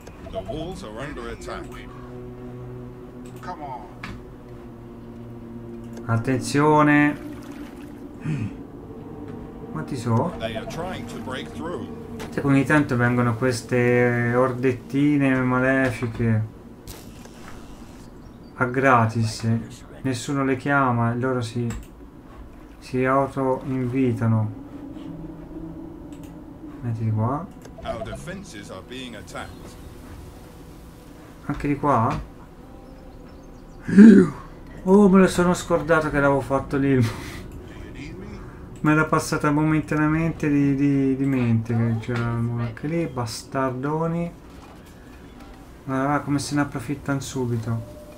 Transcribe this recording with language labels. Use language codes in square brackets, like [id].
[en] The walls are under attack. Come on. [it] Attenzione. Quanti so? [en] They are trying to break through. [it] Se ogni tanto vengono queste ordettine malefiche a gratis. Nessuno le chiama e loro si auto invitano. Metti di qua. [en] Our defenses are being attacked. [it] Anche di qua? Oh, me lo sono scordato che l'avevo fatto lì. Me l'ha passata momentaneamente di mente. C'era anche lì, bastardoni. Ma come se ne approfittano subito.